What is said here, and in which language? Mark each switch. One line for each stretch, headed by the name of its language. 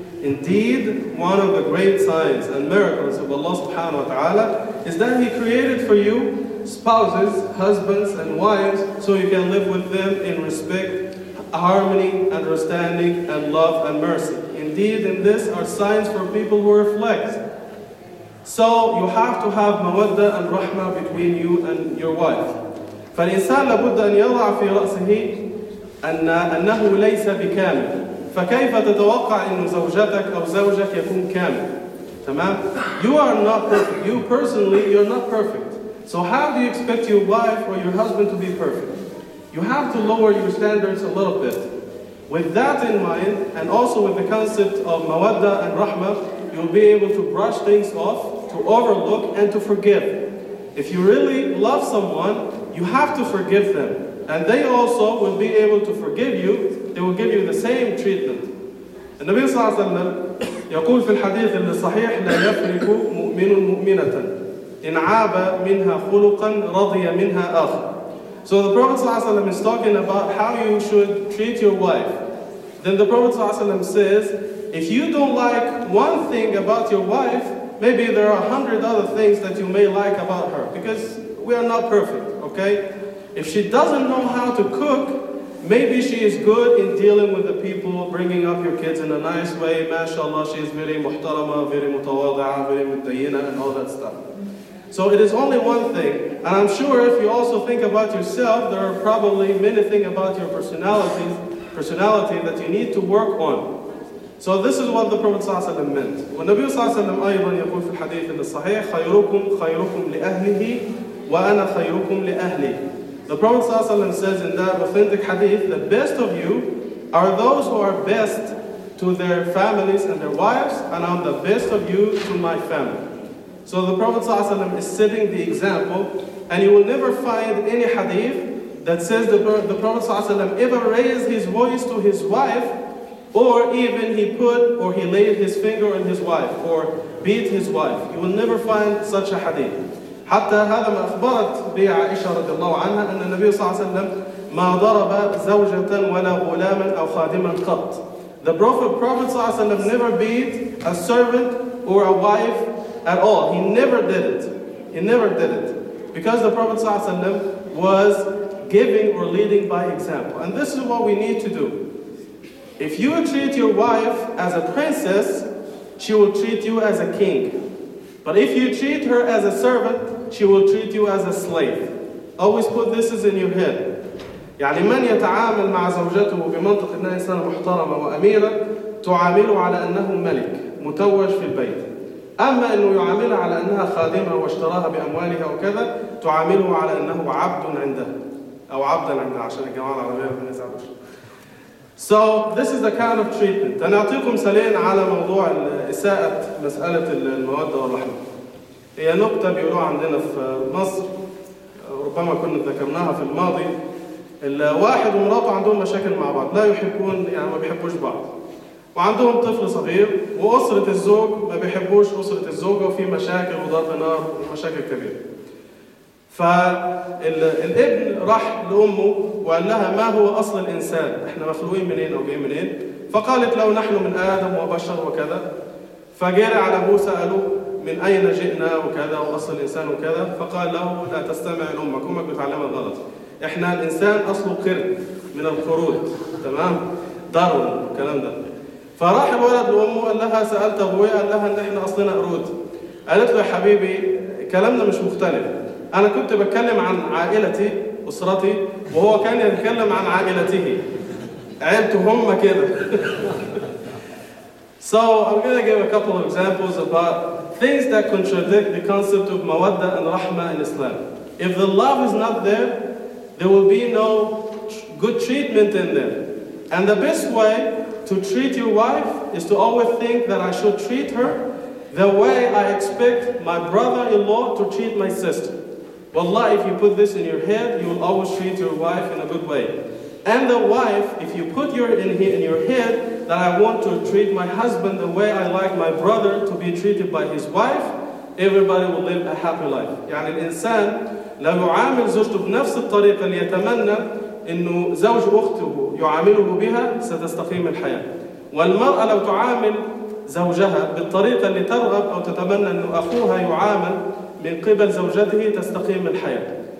English: Indeed, one of the great signs and miracles of Allah subhanahu wa ta'ala is that He created for you spouses, husbands and wives, so you can live with them in respect, harmony, understanding and love and mercy. Indeed, in this are signs for people who reflect. So you have to have mawadda and rahma between you and your wife.
Arabic: فالإنسان لابد أن يضع في رأسه أنه ليس بكامل. فكيف تتوقع أن زوجتك أو زوجك يكون كامل؟ تمام؟
English: You are not perfect. You personally, you're not perfect. So how do you expect your wife or your husband to be perfect? You have to lower your standards a little bit. With that in mind, and also with the concept of mawadda and rahma, you'll be able to brush things off, to overlook, and to forgive. If you really love someone, you have to forgive them. And they also will be able to forgive you. They will give you the same treatment.
Arabic: النبي صلى الله عليه وسلم يقول في الحديث الصحيح لا يفرق مؤمن مؤمنة إن عاب منها خلقا رضي منها آخر.
English: So the Prophet صلى الله عليه وسلم is talking about how you should treat your wife. Then the Prophet صلى الله عليه وسلم says, if you don't like one thing about your wife, maybe there are 100 other things that you may like about her, because we are not perfect, okay? If she doesn't know how to cook, maybe she is good in dealing with the people, bringing up your kids in a nice way. MashaAllah, she is very
Arabic: muhtarama,
English: very
Arabic: mutawada'a,
English: very
Arabic: mutayyina,
English: and all that stuff. So it is only one thing. And I'm sure if you also think about yourself, there are probably many things about your personality that you need to work on. So this is what the Prophet صلى الله عليه وسلم meant.
Arabic: والنبي صلى الله عليه وسلم أيضا يقول في الحديث الصحيح خيركم خيركم لأهله وأنا خيركم لأهلي.
English: The Prophet صلى الله عليه وسلم says in that authentic hadith, the best of you are those who are best to their families and their wives, and I'm the best of you to my family. So the Prophet صلى الله عليه وسلم is setting the example, and you will never find any hadith that says the Prophet صلى الله عليه وسلم ever raised his voice to his wife, or even he put or he laid his finger on his wife, or beat his wife. You will never find such a hadith.
Arabic: حتى هذا ما أخبرت به عائشة رضي الله عنها أن النبي صلى الله عليه وسلم ما ضرب زوجة ولا غلاما أو خادما قط.
English: The Prophet صلى الله عليه وسلم never beat a servant or a wife at all. He never did it. He never did it. Because the Prophet صلى الله عليه وسلم was giving or leading by example. And this is what we need to do. If you treat your wife as a princess, she will treat you as a king. But if you treat her as a servant, she will treat you as a slave. Always put this in your head.
Arabic: يعني من يتعامل مع زوجته بمنطق أنها إنسانة محترمة وأميرة تعامله على أنه ملك متوج في البيت، أما أنه يعاملها على أنها خادمة واشتراها بأموالها وكذا تعامله على أنه عبد عندها أو عبدا عندها عشان الجماعة العربية ما يزعلوش.
English: So this is the kind of treatment.
Arabic: أنا أعطيكم سلين على موضوع إساءة مسألة المودة والرحمة. هي نقطة بيقولوها عندنا في مصر، ربما كنا ذكرناها في الماضي. الواحد ومراته عندهم مشاكل مع بعض، لا يحبون يعني ما بيحبوش بعض، وعندهم طفل صغير، وأسرة الزوج ما بيحبوش أسرة الزوجة، وفي مشاكل وضرب نار ومشاكل كبيرة. فالابن راح لأمه وقال لها ما هو أصل الإنسان، إحنا مخلوقين منين أو جايين منين؟ فقالت لو نحن من آدم وبشر وكذا. فجرى على أبوه سألوه من أين جئنا وكذا وأصل الإنسان وكذا، فقال له لا تستمع لأمك، أمك بتعلمها غلط، احنا الانسان اصله قرد من القرود، تمام، دارون الكلام ده. فراح الولد لامه قال لها سالت ابويا قال لها ان احنا اصلنا قرود. قالت له يا حبيبي كلامنا مش مختلف، انا كنت بتكلم عن عائلتي اسرتي وهو كان يتكلم عن عائلته عيلته هم كده.
English: So I'm gonna give a couple of examples about things that contradict the concept of mawadda and rahma in Islam. If the love is not there, there will be no good treatment in them. And the best way to treat your wife is to always think that I should treat her the way I expect my brother-in-law to treat my sister. Wallah, if you put this in your head, you will always treat your wife in a good way. And the wife, if you put your in your head that I want to treat my husband the way I like my brother to be treated by his wife, everybody will live a happy life.
Arabic: يعني الإنسان لو يعامل زوجته بنفس الطريقة اللي يتمنى إنه زوج أخته يعامله بها ستستقيم الحياة. والمرأة لو تعامل زوجها بالطريقة اللي ترغب أو تتمنى إنه أخوها يعامل من قبل زوجته تستقيم الحياة.